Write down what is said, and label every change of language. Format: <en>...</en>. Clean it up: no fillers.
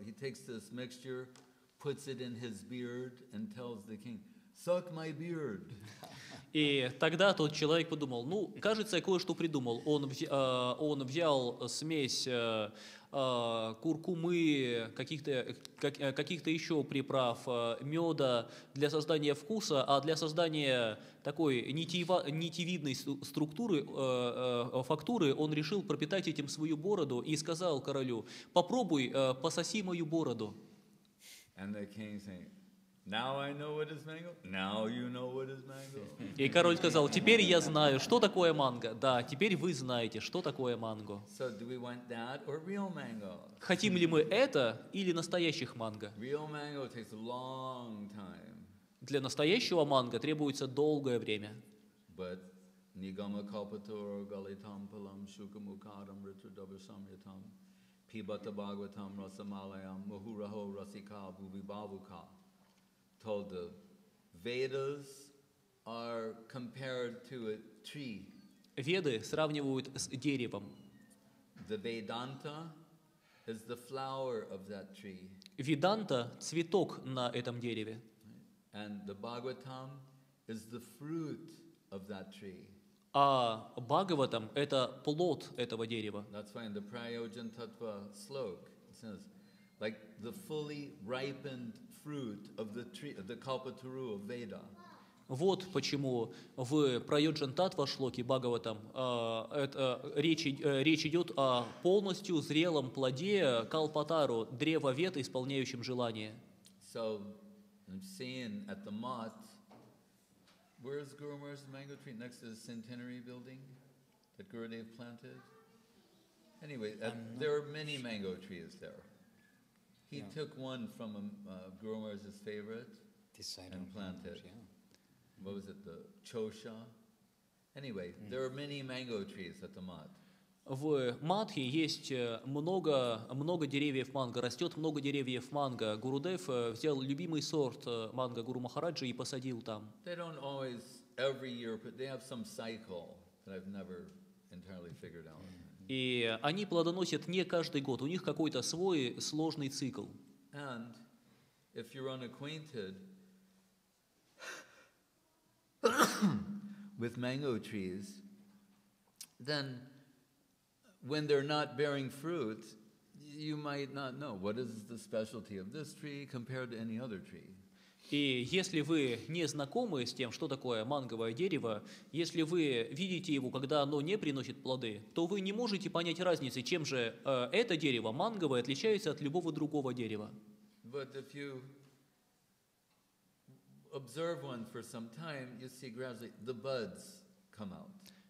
<en>He takes this mixture, puts it in his beard and tells the king, suck my beard.</en> <ru>И тогда тот человек подумал: ну, кажется, я кое-что придумал. Он взял смесь куркумы, каких-то еще приправ, меда для создания вкуса, а для создания такой нитевидной структуры, фактуры, он решил пропитать этим свою бороду и сказал королю: попробуй, пососи мою бороду.</ru> <en>And the king saying, "Now I know what is mango. Now you know what is mango."</en> <ru>И король сказал: "Теперь я знаю, что такое манго. Да, теперь вы знаете, что такое манго."</ru> <en>So do we want that or real mango?</en> <ru>Хотим ли мы это или настоящих манго?</ru> <en>Real mango takes a long time.</en> <ru>Для настоящего манго требуется долгое время.</ru> <sa>But nigama kalpataro galitam palam shukamukaram ritudavasamyatam. Pibatabhagavatam rasamalayam muhuraho rasika bhuvibhavuka</sa> <en>told the Vedas are compared to a tree.</en> <ru>Веды сравнивают с деревом.</ru> <en>The Vedanta is the flower of that tree.</en> <ru>Веданта — цветок на этом дереве.</ru> <en>And the Bhagavatam is the fruit of that tree.</en> <ru>А Бхагаватам — это плод этого дерева.</ru> <en>That's why in the Prayojan Tattva slok, it says, like the fully ripened fruit of the tree, of the Kalpataru of Veda.</en> <ru>Вот почему в Prayojan Tattva шлоке Бхагаватам речь идет о полностью зрелом плоде Калпатару, древа Вед, исполняющем желание.</ru> <en>So, I'm seeing at the mat, where is Guru Maharaj's mango tree next to the centenary building that Gurudev planted? Anyway, there are many mango trees there. He took one from Guru Maharaj's favorite and planted. What was it, the Chosha? Anyway, there are many mango trees at the mat.</en> <ru>В Матхе есть много, много деревьев манго, растет много деревьев манго. Гурудев взял любимый сорт манго Гуру Махараджа и посадил там.</ru> <en>They don't always every year, but they have some cycle that I've never entirely figured out.</en> <ru>И они плодоносят не каждый год, у них какой-то свой сложный цикл.</ru> <en>And if you're unacquainted with mango trees, then when they're not bearing fruit, you might not know what is the specialty of this tree compared to any other tree.</en> <ru>И если вы не знакомы с тем, что такое манговое дерево, если вы видите его, когда оно не приносит плоды, то вы не можете понять разницы, чем же это дерево манговое отличается от любого другого дерева.</ru> <en>But if you observe one for some time, you see gradually the buds come out.</en>